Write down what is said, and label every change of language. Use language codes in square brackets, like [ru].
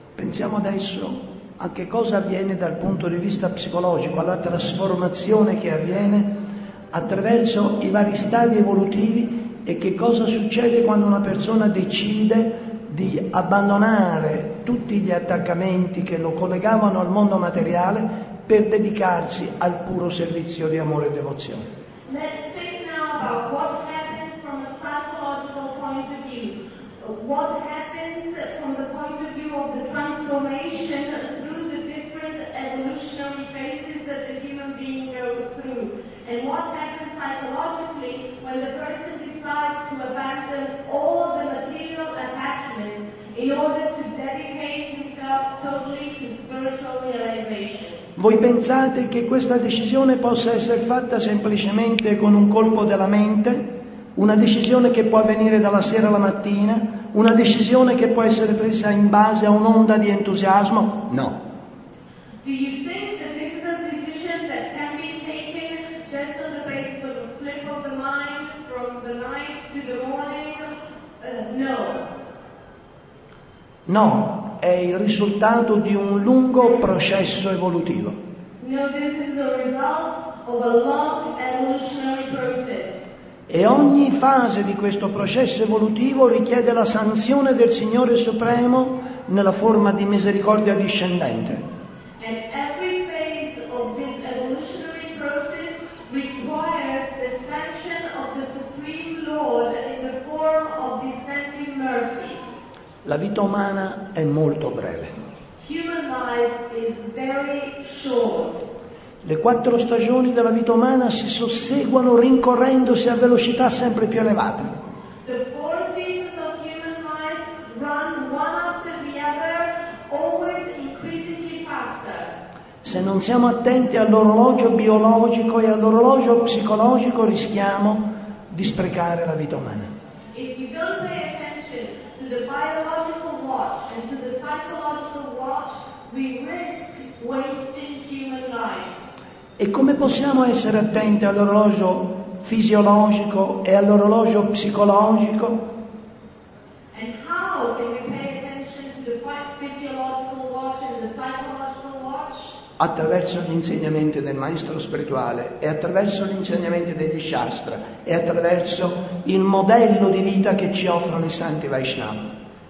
[it] pensiamo adesso a che cosa avviene dal punto di vista psicologico, alla trasformazione che avviene attraverso i vari stadi evolutivi e che cosa succede quando una persona decide di abbandonare tutti gli attaccamenti che lo collegavano al mondo materiale per dedicarsi al puro servizio di amore e devozione. [en] Let's think now about what happens from a psychological point of view. What happens from the point of view of the transformation through the different evolutionary phases that the human being goes through? And what happens psychologically when the person decides to abandon all the material attachments in order to dedicate himself totally to spiritual realization? [it] Voi pensate che questa decisione possa essere fatta semplicemente con un colpo della mente, una decisione che può avvenire dalla sera alla mattina, una decisione che può essere presa in base a un'onda di entusiasmo? No. [en] Do you think that this is a decision that can be taken just on the basis of a flip of the mind from the night to the morning? No. No. [it] È il risultato di un lungo processo evolutivo. [en] No, this is the result of a long evolutionary process. [it] E ogni fase di questo processo evolutivo richiede la sanzione del Signore Supremo nella forma di misericordia discendente. [en] And every phase of this evolutionary process requires the sanction of the Supreme Lord in the form of descending mercy. [it] La vita umana è molto breve. [en] Human life is very short. [it] Le quattro stagioni della vita umana si susseguono rincorrendosi a velocità sempre più elevate. [en] The four seasons of human life run one after the other, always increasingly faster. [it] Se non siamo attenti all'orologio biologico e all'orologio psicologico, rischiamo di sprecare la vita umana. [en] If you don't pay attention to the biological watch and to the psychological watch, we risk wasting human life. [it] E come possiamo essere attenti all'orologio fisiologico e all'orologio psicologico? [en] And how can we pay attention to the physiological watch and the psychological watch? [it] Attraverso gli insegnamenti del maestro spirituale e attraverso gli insegnamenti degli Shastra e attraverso il modello di vita che ci offrono i santi Vaishnava.